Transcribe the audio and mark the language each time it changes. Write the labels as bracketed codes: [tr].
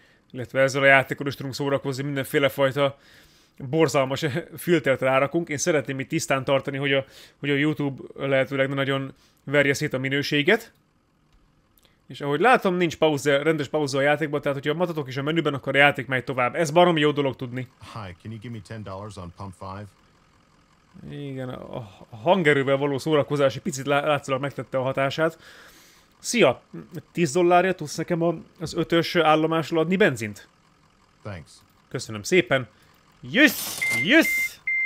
[hu] Illetve ezzel a játékon is tudunk szórakozni, mindenféle fajta borzalmas filtert rárakunk. Én szeretném itt tisztán tartani, hogy a YouTube lehetőleg nagyon verje szét a minőséget. És ahogy látom, nincs pauze, rendes pauza a játékban, tehát hogyha matatok is a menüben, akkor a játék megy tovább. Ez baromi jó dolog tudni. [en] Hi, can you give me $10 on pump 5? [hu] Igen, a hangerővel való szórakozás egy picit látszólag megtette a hatását. Szia! $10 tudsz nekem az ötös állomásról adni benzint? [en] Thanks. [hu] Köszönöm szépen! [en] Yes! Yes!